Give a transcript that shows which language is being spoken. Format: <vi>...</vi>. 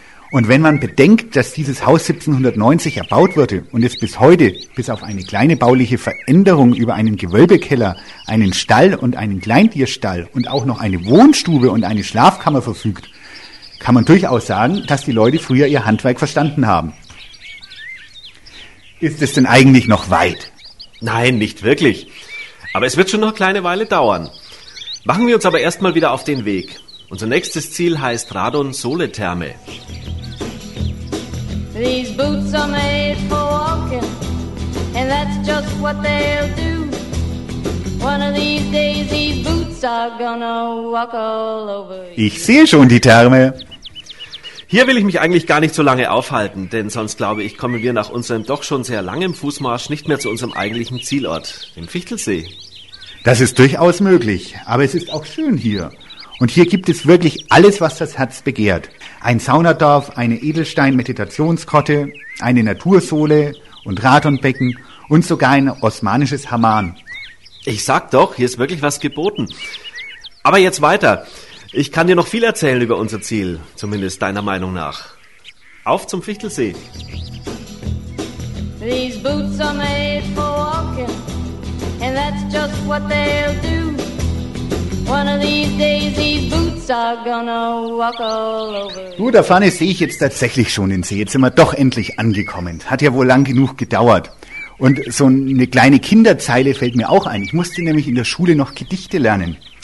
<de>Und wenn man bedenkt, dass dieses Haus 1790 erbaut wurde und es bis heute, bis auf eine kleine bauliche Veränderung über einen Gewölbekeller, einen Stall und einen Kleintierstall und auch noch eine Wohnstube und eine Schlafkammer verfügt, kann man durchaus sagen, dass die Leute früher ihr Handwerk verstanden haben. Ist es denn eigentlich noch weit? Nein, nicht wirklich. Aber es wird schon noch eine kleine Weile dauern. Machen wir uns aber erstmal wieder auf den Weg. Unser nächstes Ziel heißt Radon-Sole-Therme.</de> <en>These boots are made for walking, and that's just what they'll do. One of these days these boots are gonna walk all over you.</en> <de>Ich sehe schon die Therme. Hier will ich mich eigentlich gar nicht so lange aufhalten, denn sonst glaube ich, kommen wir nach unserem doch schon sehr langen Fußmarsch nicht mehr zu unserem eigentlichen Zielort, dem Fichtelsee. Das ist durchaus möglich, aber es ist auch schön hier. Und hier gibt es wirklich alles, was das Herz begehrt. Ein Saunadorf, eine Edelstein-Meditationsgrotte, eine Natursohle und Radonbecken und sogar ein osmanisches Hammam. Ich sag doch, hier ist wirklich was geboten. Aber jetzt weiter. Ich kann dir noch viel erzählen über unser Ziel, zumindest deiner Meinung nach. Auf zum Fichtelsee.</de> <en>These boots are made for walking, and that's just what they'll do. One of these days these boots are gonna walk all over.</en> <de>Du, da vorne sehe ich jetzt tatsächlich schon den See. Jetzt sind wir doch endlich angekommen. Hat ja wohl lang genug gedauert. Und so eine kleine Kinderzeile fällt mir auch ein. Ich musste nämlich in der Schule noch Gedichte lernen.</de>